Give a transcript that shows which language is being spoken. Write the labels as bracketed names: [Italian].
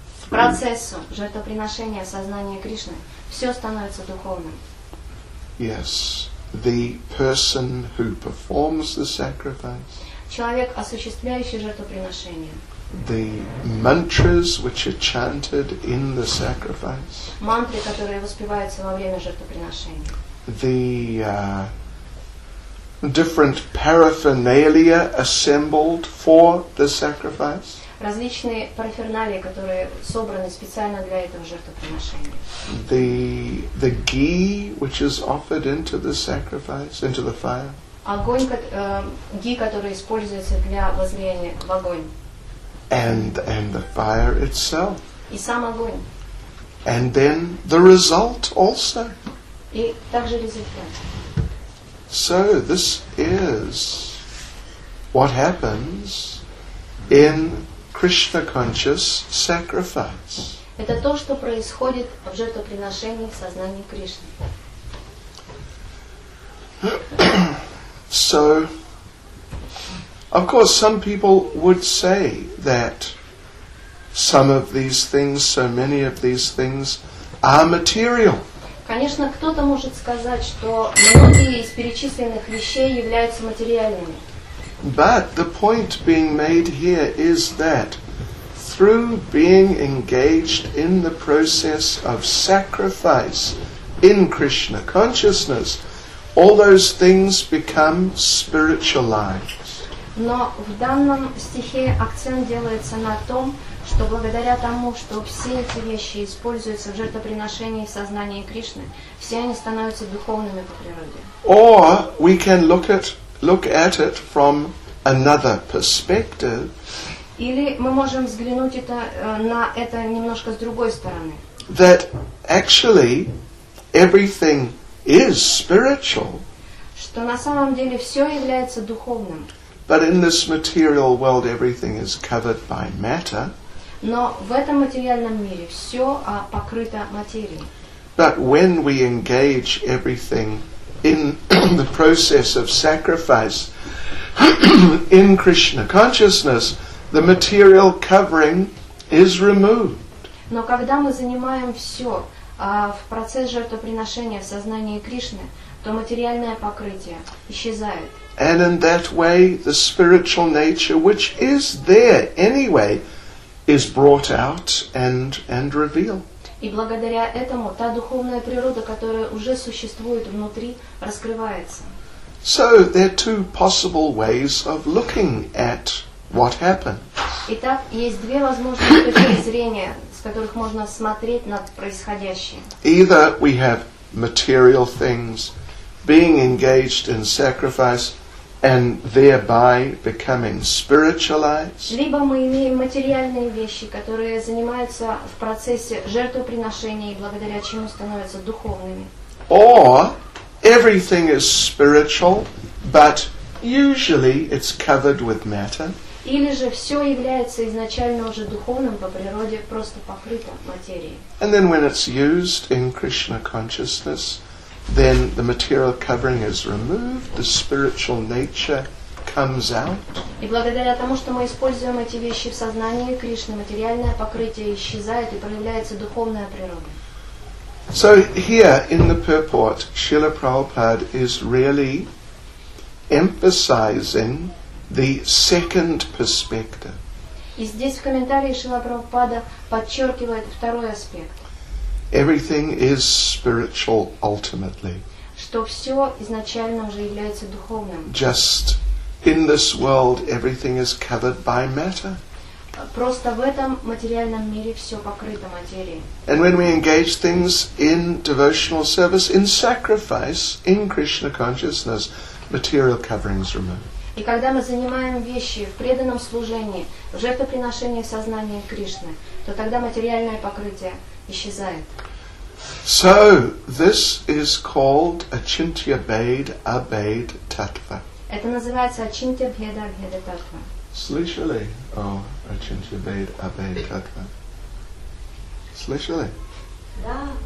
[Russian] Процессу жертвоприношения сознания Кришны, все становится духовным. [English] Yes, the person who performs the sacrifice. [Russian] Человек, осуществляющий жертвоприношение. [English] The mantras which are chanted in the sacrifice. [Russian] Мантры, которые воспеваются во время жертвоприношения. [English] The different paraphernalia assembled for the sacrifice. [Russian] Различные параферналии, которые собраны специально для этого жертвоприношения. [English] The ghee, which is offered into the sacrifice, into the fire. [Russian] Огонь, ghee, который используется для возлияния в огонь. [English] And the fire itself. [Russian] И сам огонь. [English] And then the result also. [Russian] И также результат. [English] So this is what happens in Krishna conscious sacrifice. [Russian] Это то, что происходит в жертвоприношении в сознании Кришны. [English] So of course, some people would say that some of these things, so many of these things, are material. [Russian] Конечно, кто-то может сказать, что многие из перечисленных вещей являются материальными. [English] But the point being made here is that through being engaged in the process of sacrifice in Krishna consciousness, all those things become spiritualized. [Russian] Но в данном стихе акцент делается на том, что благодаря тому, что все эти вещи используются в жертвоприношении в сознании Кришны, все они становятся духовными по природе. [English] Or we can look at it from another perspective. [Russian] Или мы можем взглянуть это, на это немножко с другой стороны. [English] That actually everything is spiritual. [Russian] Что на самом деле все является духовным. [English] But in this material world, everything is covered by matter. [Russian] Но в этом материальном мире все покрыто материей. [English] But when we engage everything in the process of sacrifice in Krishna consciousness, the material covering is removed. [Russian] Но когда мы занимаем все в процесс жертвоприношения в сознании Кришны, то материальное покрытие исчезает. [English] And in that way, the spiritual nature, which is there anyway, is brought out and revealed. [Russian] И благодаря этому та духовная природа, которая уже существует внутри, раскрывается. [English] So there are two possible ways of looking at what happened. [Russian] Итак, есть две возможные точки зрения, с которых можно смотреть на происходящее. [English] Either we have material things being engaged in sacrifice, and thereby becoming spiritualized. [Russian] Либо мы имеем материальные вещи, которые занимаются в процессе жертвоприношения и благодаря чему становятся духовными. [English] Or everything is spiritual, but usually it's covered with matter. [Russian] Или же все является изначально уже духовным по природе, просто покрыто материей. [English] And then when it's used in Krishna consciousness, then the material covering is removed, the spiritual nature comes out. [Russian] И благодаря тому, что мы используем эти вещи в сознании Кришны, материальное покрытие исчезает и проявляется духовная природа. [English] So here in the purport, Srila Prabhupada is really emphasizing the second perspective. [Russian] И здесь в комментарии Шрила Прабхупада подчеркивает второй аспект. [English] Everything is spiritual ultimately. [Russian] Что все изначально уже является духовным. [English] Just in this world, everything is covered by matter. [Russian] Просто в этом материальном мире все покрыто материей. [English] And when we engage things in devotional service, in sacrifice, in Krishna consciousness, material coverings remove. [Russian] И когда мы занимаем вещи в преданном служении, в жертвоприношении сознания Кришны, то тогда материальное покрытие исчезает. [English] So this is called Achintya Bhed Abhed Tattva. [Russian] Это называется Achintya Bhed Abhed Tattva. Слышали? О, Achintya Bhed Abhed Tattva. Слышали? Да.